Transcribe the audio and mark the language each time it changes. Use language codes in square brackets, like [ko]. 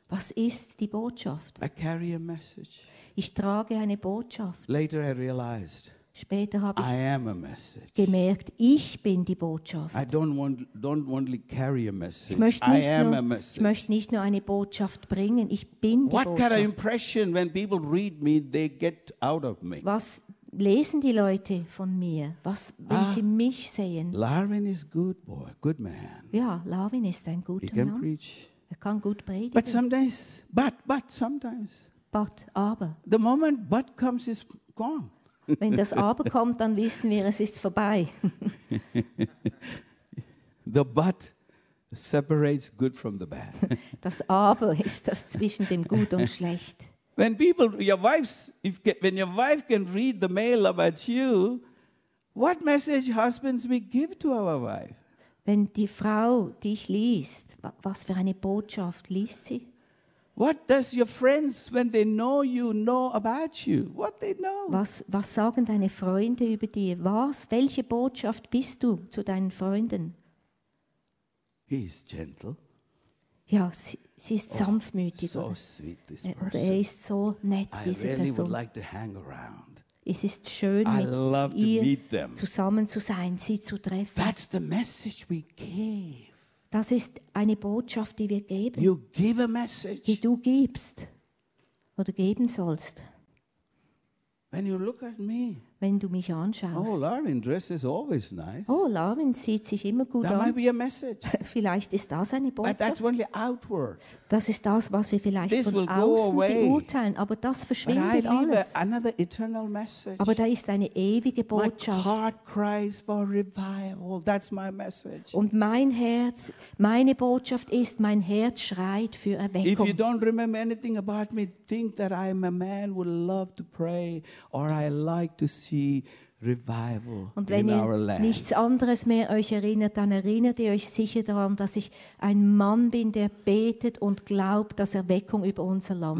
[de] Was ist die Botschaft? [en] I carry a message. [de] Ich trage eine Botschaft. [en] Later I realized. [de] Später habe ich [en] I am a message. [de] Gemerkt, ich bin die Botschaft. [en] I don't want to carry a message. [de] Ich möchte nicht nur eine Botschaft bringen, ich bin die [en] What [de] Botschaft. [en] What kind of impression when people read me, they get out of me? [de] Was lesen die Leute von mir? Was, wenn sie mich sehen? [en] Larvin is good boy, good man. [de] Ja, Larvin ist ein guter [en] He can [de] Mann. [en] Preach. [de] Er kann gut predigen. [en] But sometimes, but sometimes. But, [de] aber. [en] The moment but comes is gone. [de] Wenn das Aber kommt, dann wissen wir, es ist vorbei. [en] The but separates good from the bad. [de] Das Aber ist das zwischen dem Gut und Schlecht. [en] When people, when your wife can read the mail about you, what message husbands we give to our wife? [de] Wenn die Frau dich liest, was für eine Botschaft liest sie? [en] What does your friends, when they know about you? What they know? [de] Was sagen deine Freunde über dir? Was? Welche Botschaft bist du zu deinen Freunden? [en] He is gentle. [de] Ja, sie ist sanftmütig. [en] So sweet, this person. [de] Er ist so nett, diese Person. [en] I really would like to hang around. [de] Es ist schön, [en] I love [de] mit ihr [en] to meet them. [de] Zusammen zu sein, sie zu treffen. [en] That's the message we gave. [de] Das ist eine Botschaft, die wir geben. [en] You give a message. [de] Die du gibst oder geben sollst. [en] When you look at me. [de] Wenn du mich anschaust. [en] Oh, Larvin dresses always nice. [de] Oh, Larvin sieht sich immer gut [en] that [de] an. [en] That might be a message. [de] Vielleicht ist das eine Botschaft. [en] But that's only outward. [de] Das ist das, was wir vielleicht This von außen beurteilen. Aber das verschwindet [en] But I leave [de] alles. [en] Another eternal message. [de] Aber da ist eine ewige Botschaft. [en] My heart cries for revival. That's my message. [de] Und mein Herz, meine Botschaft ist, mein Herz schreit für Erweckung. [en] If you don't remember anything about me, think that I am a man who loves to pray or I like to see revival [de] und wenn ihr [en] our land. [de] Nichts anderes mehr euch erinnert, dann erinnert ihr euch sicher daran, dass ich ein Mann bin, der betet und glaubt, dass Erweckung über unser Land